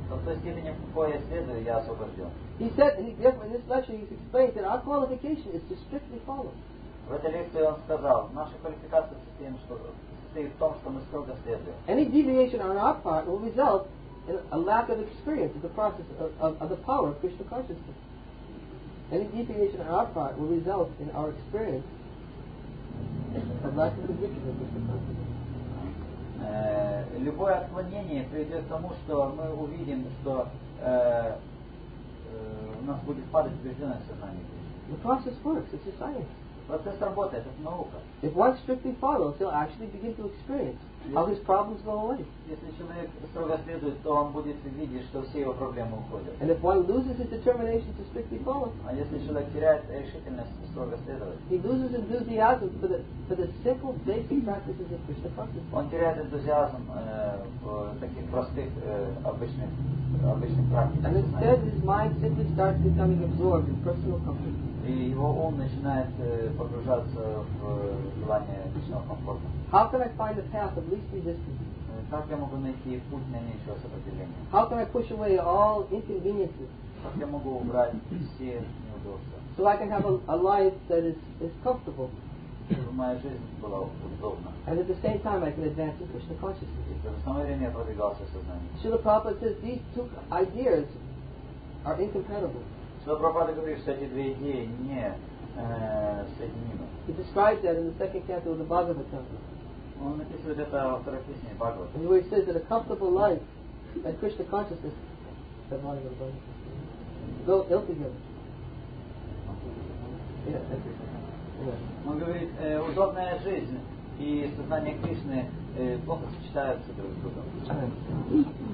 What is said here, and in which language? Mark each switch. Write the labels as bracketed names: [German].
[Russian] То в той степени, в какой я следую, я освобожден. [English] He said, and therefore in this lecture he explained that our qualification is to strictly follow. [Russian] В этой лекции он сказал, наша квалификация состоит в том, что в том, что мы строго следуем. [English] Any deviation on our part will result in a lack of experience of the process of the power of Krishna consciousness. Any deviation on our part will result in our experience of lack of conviction of Krishna consciousness. [Russian] Любое отклонение приведет к тому, что мы увидим, что у нас будет падать убежденность в сознании. [English] The process works. It's a science. [Russian] Процесс работает, это наука. [English] If one strictly follows, he'll actually begin to experience how his problems go away. [Russian] Если человек строго следует, то он будет видеть, что все его проблемы уходят. [English] And if one loses his determination to strictly follow, [Russian] а если человек теряет решительность строго следовать, [English] he loses enthusiasm for the simple basic practices of Krishna consciousness. [Russian] Он теряет энтузиазм в таких простых обычных практиках. [English] And instead, his mind simply starts becoming absorbed in personal comfort. [Russian] И его ум начинает погружаться в желание личного комфорта. [English] How can I find the path of least resistance? [Russian] Как я могу найти путь наименьшего сопротивления? [English] How can I push away all inconveniences? [Russian] Как я могу убрать все неудобства? [English] So I can have a life that is comfortable. [Russian] Чтобы моя жизнь была удобна. [English] And at the same time I can advance in Krishna consciousness. [Russian] И в то же самое время я продвигался в сознании. [English] Srila Prabhupada says these two ideas are incompatible. [Russian] Но Прабхупада говорит, что эти две идеи не соединимы. [English] He describes that in the second canto of the Bhagavad Gita. [Russian] Он написал это во второй песне Бхагавата. [English] And he says that a comfortable life and Krishna consciousness, the Bhagavad Gita, go ill together. Yeah. [Russian] Он говорит, удобная жизнь и сознание Кришны плохо сочетаются друг с другом.